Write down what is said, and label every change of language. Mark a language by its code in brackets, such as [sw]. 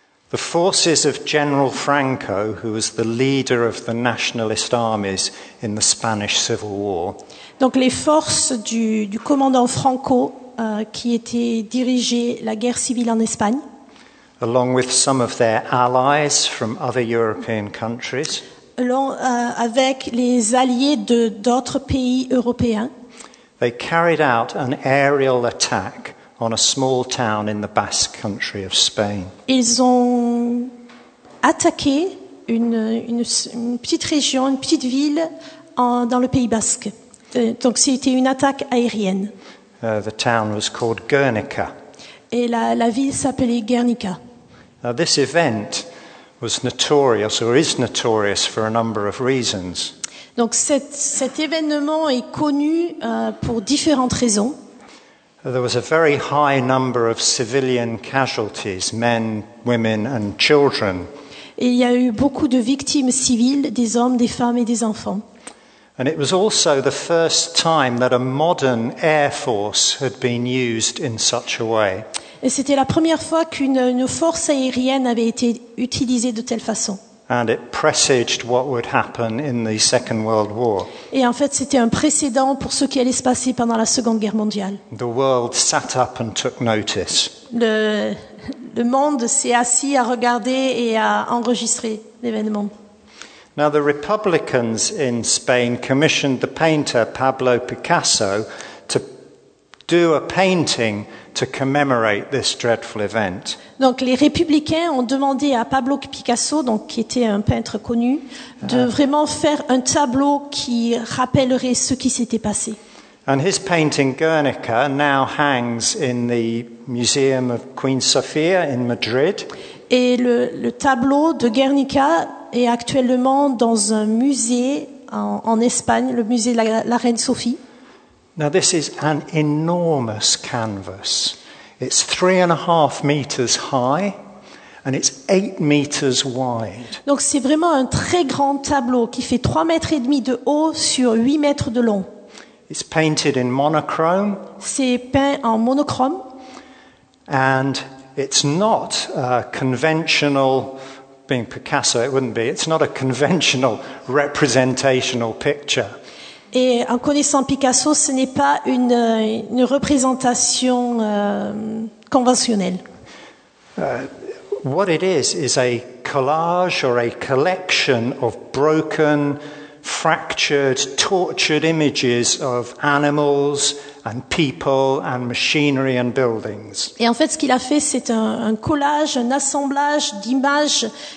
[en] The forces of General Franco, who was the leader of the nationalist armies in the Spanish Civil War. [fr] Donc les forces du commandant Franco qui était dirigé la guerre civile en Espagne. [en] Along with some of their allies from other European countries. [fr] Avec les alliés d'autres pays européens. [en] They carried out an aerial attack on a small town in the Basque country of Spain. [fr] Ils ont attaqué une petite région, une petite ville dans le Pays Basque. Donc c'était une attaque aérienne. [en] The town was called Guernica. [fr] Et la ville s'appelait Guernica. [en] Now, this event was notorious or is notorious for a number of reasons. [fr] Donc cet événement est connu pour différentes raisons. [en] There was a very high number of civilian casualties, men, women and children. [fr] Et il y a eu beaucoup de victimes civiles, des hommes, des femmes et des enfants. [en] And it was also the first time that a modern air force had been used in such a way. [fr] Et c'était la première fois qu'une force aérienne avait été utilisée de telle façon. [en] And it presaged what would happen in the Second World War. [fr] Et en fait, c'était un précédent pour ce qui allait se passer pendant la Seconde Guerre mondiale. [en] The world sat up and took notice. [fr] Le monde s'est assis à regarder et à enregistrer l'événement. [en] Now the Republicans in Spain commissioned the painter Pablo Picasso to do a painting to commemorate this dreadful event. [fr] Donc les républicains ont demandé à Pablo Picasso, donc qui était un peintre connu, de vraiment faire un tableau qui rappellerait ce qui s'était passé. [en] And his painting Guernica now hangs in the Museum of Queen Sofia in Madrid. [fr] Et le tableau de Guernica est actuellement dans un musée en Espagne, le musée de la Reine Sophie. [en] Now this is an enormous canvas. It's 3.5 meters high, and it's 8 meters wide. [fr] Donc c'est vraiment un très grand tableau qui fait 3.5 mètres de haut sur 8 mètres de long. [en] It's painted in monochrome. [fr] C'est peint en monochrome. [en] And it's not a conventional, being Picasso, it wouldn't be. It's not a conventional representational picture. [fr] Et en connaissant Picasso, ce n'est pas une représentation conventionnelle. [en] What it is a collage or a collection of broken, fractured, tortured images of animals and people and machinery and buildings. [fr] Et en fait, ce qu'il a fait, c'est un collage, un assemblage d'images